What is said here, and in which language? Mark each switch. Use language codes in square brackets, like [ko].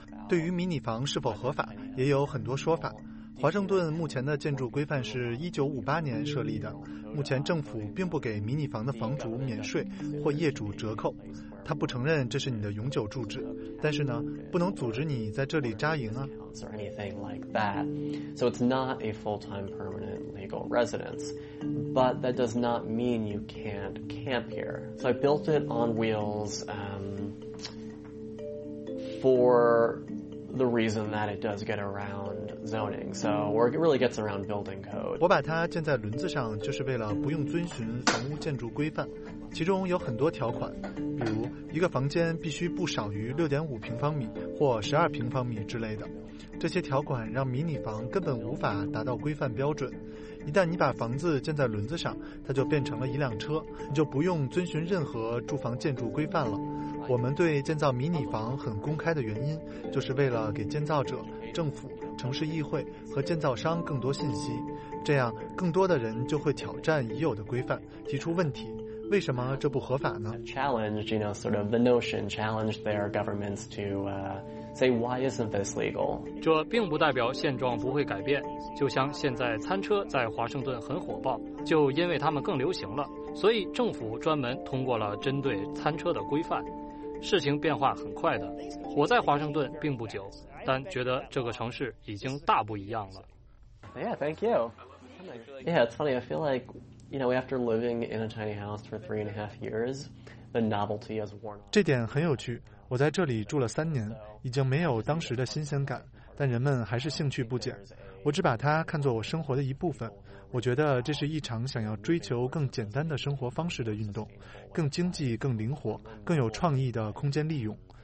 [zh] 对于迷你房是否合法，也有很多说法。华盛顿目前的建筑规范是1958年设立的，目前政府并不给迷你房的房主免税或业主折扣，他不承认这是你的永久住址，但是呢，不能阻止你在这里扎营啊。 [en] So it's not a full-time permanent legal residence, but that does not mean you can't camp here. So I built it on wheels, for the reason that it does get around zoning. So, or it really gets around building code. [zh] 我把它建在轮子上，就是为了不用遵循房屋建筑规范。其中有很多条款，比如一个房间必须不少于6.5平方米或12平方米之类的。这些条款让迷你房根本无法达到规范标准。一旦你把房子建在轮子上，它就变成了一辆车，你就不用遵循任何住房建筑规范了。我们对建造迷你房很公开的原因，就是为了给建造者、政府、城市议会和建造商更多信息，这样更多的人就会挑战已有的规范，提出问题。为什么这不合法呢？ [en] Challenged, you know, sort of the notion, challenged their governments to, say, why isn't this legal? [zh] 这并不代表现状不会改变，就像现在餐车在华盛顿很火爆，就因为他们更流行了，所以政府专门通过了针对餐车的规范。事情变化很快的，我在华盛顿并不久，但觉得这个城市已经大不一样了。 [en] Yeah, thank you. Yeah, it's funny, I feel like... You know, after living in a tiny house for 3.5 years, the novelty has worn off. [zh] 这点很有趣。我在这里住了3年，已经没有当时的新鲜感，但人们还是兴趣不减。我只把它看作我生活的一部分。我觉得这是一场想要追求更简单的生活方式的运动，更经济、更灵活、更有创意的空间利用。